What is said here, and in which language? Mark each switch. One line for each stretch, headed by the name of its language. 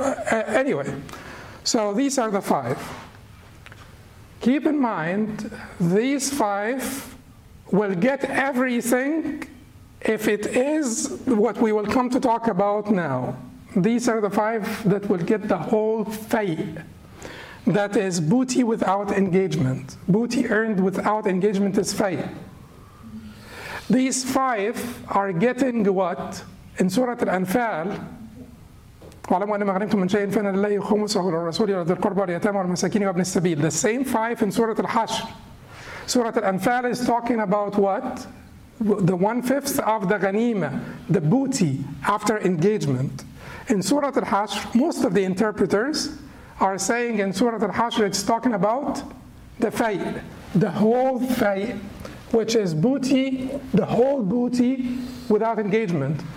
English: Anyway, so these are the five. Keep in mind, these five will get everything if it is what we will come to talk about now. These are the five that will get the whole fee. That is booty without engagement. Booty earned without engagement is fee. These five are getting what? In Surah Al-Anfal,
Arabic: وَعَلَمُوا أَنَّمَا غَنِمْتُمْ مِنْ شَيْءٍ فَإِنَّ لِلَّهِ خُمُسَهُ لِلرَّسُولِ وَلِذِي الْقُرْبَى وَالْيَتَامَى وَالْمَسَاكِينِ وَابْنِ السَّبِيلِ.
English: The same five in Surah Al-Hashr. Surah Al-Anfal is talking about what? The one-fifth of the ghanima, the booty after engagement. In Surah Al-Hashr, most of the interpreters are saying in Surah Al-Hashr, it's talking about the fay, the whole fay, which is booty, the whole booty without engagement.